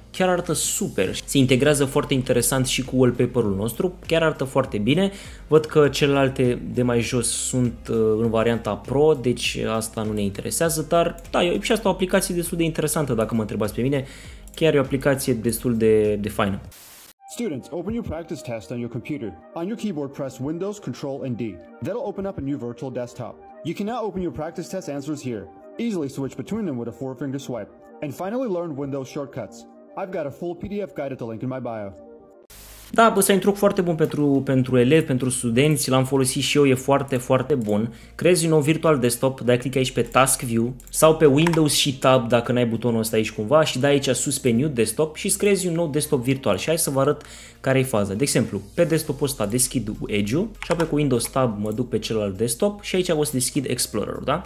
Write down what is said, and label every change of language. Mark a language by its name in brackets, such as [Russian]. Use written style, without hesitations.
[Romanian] Chiar arată super! Se integrează foarte interesant și cu wallpaper-ul nostru, chiar arată foarte bine. Văd că celelalte de mai jos sunt în varianta Pro, deci asta nu ne interesează, dar da, e și asta o aplicație destul de interesantă, dacă mă întrebați pe mine, chiar e o aplicație destul de faină. [English] Students, open your practice test on your computer. On your keyboard, press Windows, Control, and D. That'll open up a new virtual desktop. You can now open your practice test answers here. easily switch between them with a four-finger swipe, and finally learn Windows shortcuts. I've got a full PDF guide at the link in my bio. [Romanian] Da, bă, Sign Truck foarte bun pentru elevi, pentru studenți, l-am folosit și eu, e foarte, foarte bun. Creezi un nou virtual desktop, dai click aici pe Task View sau pe Windows și Tab dacă n-ai butonul ăsta aici cumva și dai aici sus pe New Desktop și îți creezi un nou desktop virtual și hai să vă arăt care e faza. De exemplu, pe desktopul ăsta deschid Edge-ul și apoi cu Windows Tab mă duc pe celălalt desktop și aici o să deschid Explorer-ul, da?